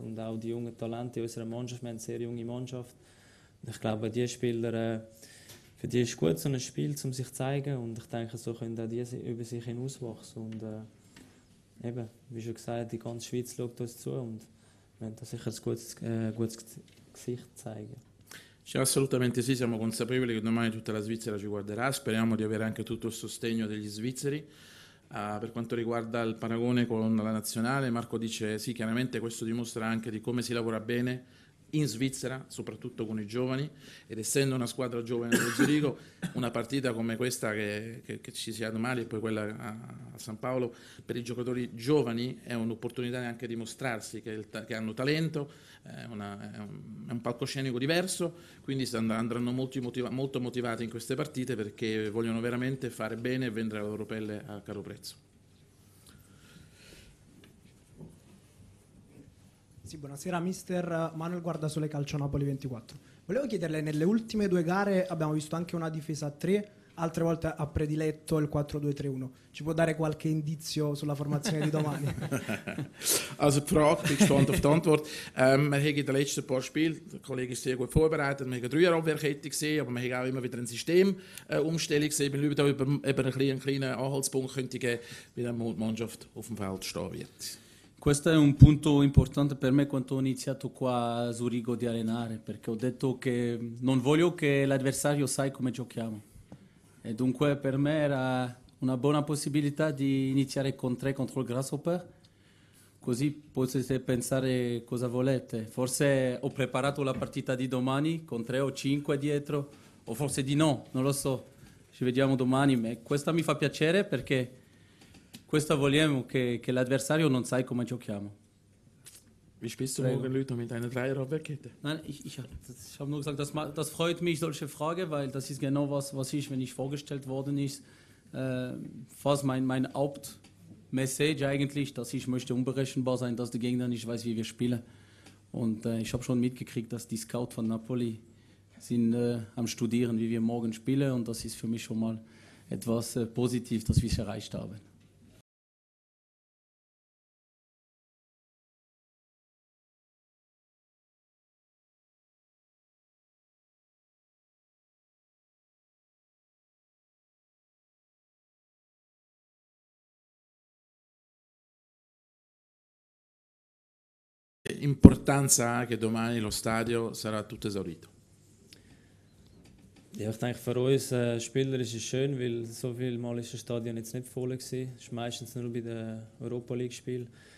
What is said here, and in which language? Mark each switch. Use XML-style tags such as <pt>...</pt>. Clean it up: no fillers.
<de>Und auch die jungen Talente in unserer Mannschaft. Wir haben eine sehr junge Mannschaft. Und ich glaube, die Spieler, für die ist gut, so ein Spiel, um sich zu zeigen. Und ich denke, so können auch die über sich hinauswachsen. Und eben, wie schon gesagt, die ganze Schweiz schaut uns zu. Und wenn das sicher ein gutes Gesicht zeigen.</de> <it>Cioè, assolutamente sì, siamo consapevoli che domani tutta la Svizzera ci guarderà. Speriamo di avere anche tutto il sostegno degli svizzeri. Per quanto riguarda il paragone con la nazionale, Marco dice sì, chiaramente questo dimostra anche di come si lavora bene in Svizzera, soprattutto con i giovani. Ed essendo una squadra giovane dello Zurigo, una partita come questa che ci sia domani e poi quella a San Paolo, per i giocatori giovani è un'opportunità anche di mostrarsi che hanno talento, è un palcoscenico diverso, quindi andranno molto motivati in queste partite perché vogliono veramente fare bene e vendere la loro pelle a caro prezzo. Sì, buonasera mister. Manuel Guardasole, Calcio Napoli 24. Volevo chiederle, nelle ultime 2 gare abbiamo visto anche una difesa a 3, altre volte ha prediletto il 4-2-3-1. Ci può dare qualche indizio sulla formazione di domani?</it> <de>Also, Frage, bin gespannt auf die Antwort. Wir haben in den letzten paar Spielen, der Kollege ist sehr gut vorbereitet, wir haben 3er-Abwehrkette gesehen, aber wir haben auch immer wieder eine Systemumstellung gesehen. Ich bin da über einen kleinen Anhaltspunkt könnte geben, wie die Mannschaft auf dem Feld stehen wird.</de> <it>Questo è un punto importante per me quando ho iniziato qua a Zurigo di allenare, perché ho detto che non voglio che l'avversario sai come giochiamo. E dunque per me era una buona possibilità di iniziare con 3 contro il Grasshopper, così potete pensare cosa volete. Forse ho preparato la partita di domani con 3 o 5 dietro, o forse di no, non lo so. Ci vediamo domani, ma questa mi fa piacere perché questo vogliamo, che l'avversario non sai come giochiamo. Mi spesso muovo con lui, tu mi dai una 3er-Abwehrkette?</it> <de>Nein, ich habe nur gesagt, das freut mich, solche Frage, weil das ist genau was ich, wenn ich vorgestellt worden ist, was mein Hauptmessage eigentlich, dass ich möchte unberechenbar sein, dass der Gegner nicht weiß, wie wir spielen. Und ich habe schon mitgekriegt, dass die Scout von Napoli sind am Studieren, wie wir morgen spielen. Und das ist für mich schon mal etwas positiv, dass wir es erreicht haben.</de> <it>importanza ha che domani lo stadio sarà tutto esaurito?</it> <de>Ja, ich denke, für uns Spieler ist es schön, weil so viel Mal ist das Stadion jetzt nicht voll gewesen. Es war meistens nur bei den Europa League Spielen.</de>